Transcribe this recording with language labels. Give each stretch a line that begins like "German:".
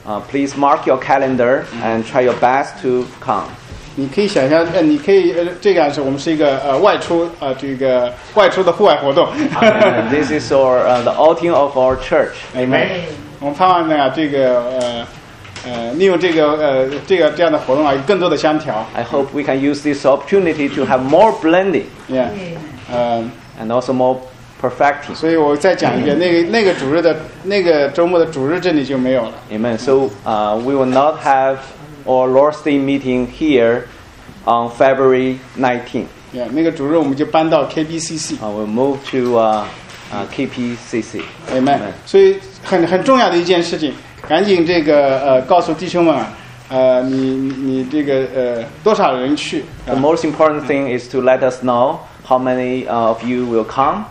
English: Please mark your calendar and try your best to come.
Chinese: 你可以想象，你可以这个是我们是一个外出这个外出的户外活动。
English: This is our the outing of our church. Amen.
Chinese: 我们盼望呢这个利用这个这样的活动啊，有更多的香调。
English: I hope we can use this opportunity to have more blending. Yeah. And also more perfecting.
Chinese: 所以我再讲一遍，那个主日的那个周末的主日这里就没有了。
English: Amen. So we will not have our Lord's Day meeting here on February 19th.
Chinese: Yeah. 那个主日我们就搬到 KBCC.
English: We'll move to KBCC. Amen.
Chinese: 所以很重要的一件事情。赶紧这个告诉弟兄们啊，你这个多少人去
English: ？The most important thing is to let us know how many of you will come,